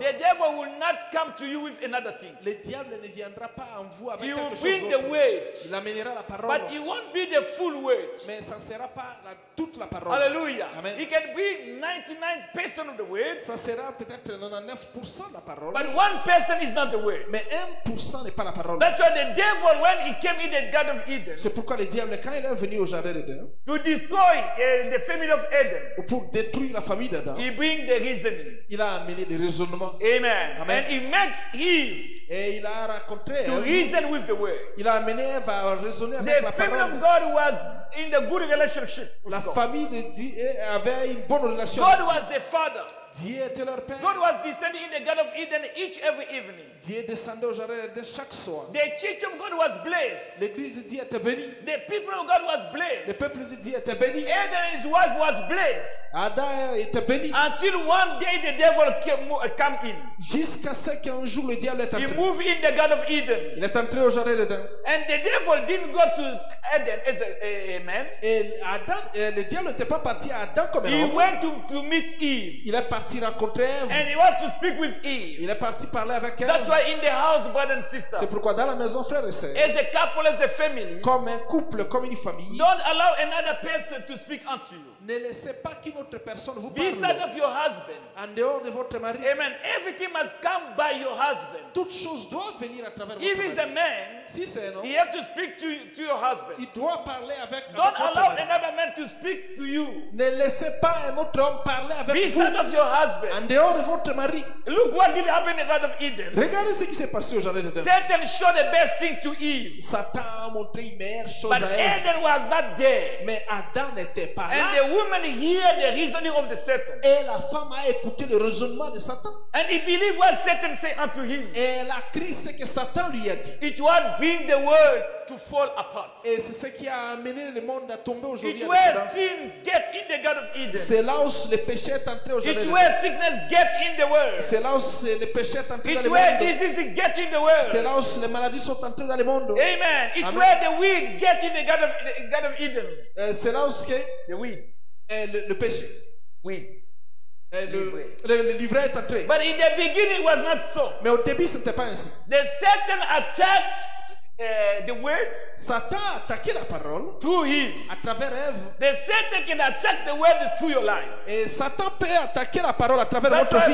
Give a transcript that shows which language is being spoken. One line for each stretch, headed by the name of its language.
English: The devil will not come to you with another thing.
French: Le diable ne viendra pas en vous avec
English: he
French: quelque chose.
English: He will bring the word.
French: Il amènera la parole.
English: But it won't be the full word.
French: Mais ça ne sera pas la toute la parole. Hallelujah. Amen.
English: He can be 99% of the word.
French: Ça sera peut-être 99% la parole.
English: But 1% is not the word.
French: Mais 1% n'est pas la parole.
English: That's why the devil, when he came in the Garden of Eden,
French: c'est pourquoi le diable quand il est venu au jardin d'Eden,
English: to destroy the family of Eden,
French: pour détruire la famille d'Adam,
English: he bring the reasoning.
French: Il a amené des raisonnements. Amen. Amen.
English: And he makes Eve.
French: Et il a raconté.
English: To reason with the word.
French: Il a amené Eve à raisonner
English: the
French: avec la parole.
English: The family of God was in the good relationship.
French: La famille de Dieu avait une bonne relation.
English: God was the father.
French: Dieu était leur père.
English: God was descending in the Garden of Eden each every evening.
French: Dieu descendait au jardin d'Eden chaque soir.
English: The church of God was blessed.
French: L'église de Dieu était bénie.
English: The people of God was blessed.
French: Le peuple de Dieu était béni.
English: Adam and his wife was blessed.
French: Adam était béni.
English: Until one day the devil came in.
French: Jusqu'à ce qu'un jour le diable est entré.
English: He moved in the Garden of Eden.
French: Il est entré au jardin d'Eden.
English: And the devil didn't go to Adam as a man.
French: Et Adam, le diable n'était pas parti à Adam comme un homme.
English: He went to meet Eve.
French: Il est parti rencontrer Eve.
English: And he went to speak with Eve.
French: Il est parti parler avec
English: That's
French: Eve.
English: That's why in the house, brother and sister.
French: C'est pourquoi dans la maison, frère et sœur.
English: As a couple, as a family.
French: Comme un couple, comme une famille.
English: Don't allow another person to speak unto you.
French: Ne laissez pas qu'une autre personne vous
English: Be
French: parle.
English: Beside of your husband.
French: En dehors de votre mari.
English: Amen. Everything must come by your husband.
French: Toute chose doit venir à travers
English: If
French: votre
English: he's
French: mari.
English: A man,
French: si c'est un homme,
English: he have to speak to your husband.
French: Il doit parler avec
English: Don't
French: avec
English: allow
French: mari.
English: Another man to speak to you.
French: Ne laissez pas un autre homme parler avec
English: Be
French: vous.
English: Of your husband.
French: En dehors de votre mari.
English: Look what did happen in the Garden of Eden.
French: Regardez ce qui s'est passé au jardin d'Eden.
English: Satan showed the best thing to Eve.
French: Satan a montré une meilleure chose
English: But
French: à Eve.
English: Eden was not there.
French: Mais Adam n'était pas
English: And
French: là.
English: The woman hear the reasoning of the Satan.
French: Et la femme a écouté le raisonnement de Satan.
English: And he believed what Satan said unto him.
French: Et elle a cru ce que Satan lui a dit.
English: It was bring the world to fall apart.
French: Et c'est ce qui a amené le monde à tomber aujourd'hui.
English: It was sin get in the Garden of Eden.
French: C'est là où le péché est entré au jardin.
English: It was sickness get in the world.
French: C'est là où le péché est entré
English: It
French: dans le monde.
English: It was disease get in the world.
French: C'est là où les maladies sont entrées dans le monde.
English: Amen. It was the weed get in the Garden of Eden.
French: C'est là où ce que
English: the weed.
French: le péché. Oui. Le livret est entré.
English: But in the beginning it was not so.
French: Mais au début, ce n'était pas ainsi.
English: The Satan attacked the word.
French: Satan a attaqué la parole.
English: Through Eve.
French: À travers Eve.
English: The Satan can attack the word through your life.
French: Et Satan peut attaquer la parole à travers votre vie.